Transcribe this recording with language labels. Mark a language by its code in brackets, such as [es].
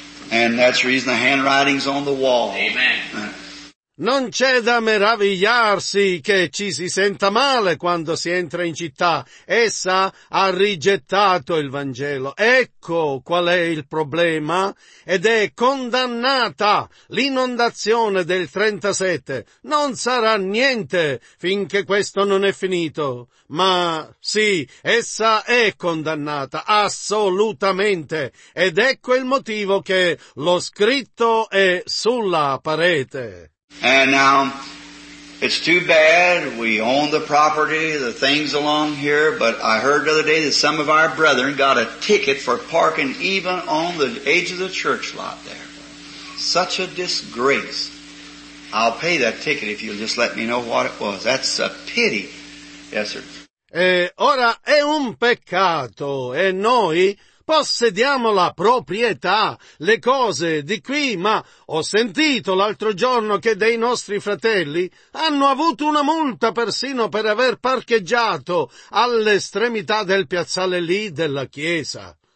[en] And that's the reason the handwriting's on the wall. Amen. [it] Non c'è da meravigliarsi che ci si senta male quando si entra in città. Essa ha rigettato il Vangelo. Ecco qual è il problema. Ed è condannata l'inondazione del 37. Non sarà niente finché questo non è finito. Ma sì, essa è condannata, assolutamente. Ed ecco il motivo che lo scritto è sulla parete. [en] And now, it's too bad we own the property, the things along here, but I heard the other day that some of our brethren got a ticket for parking even on the edge of the church lot there. Such a disgrace. I'll pay that ticket if you'll just let me know what it was. That's a pity. Yes, sir. [it] Ora è un peccato, e noi possediamo la proprietà, le cose di qui, ma ho sentito l'altro giorno che dei nostri fratelli hanno avuto una multa persino per aver parcheggiato all'estremità del piazzale lì della chiesa.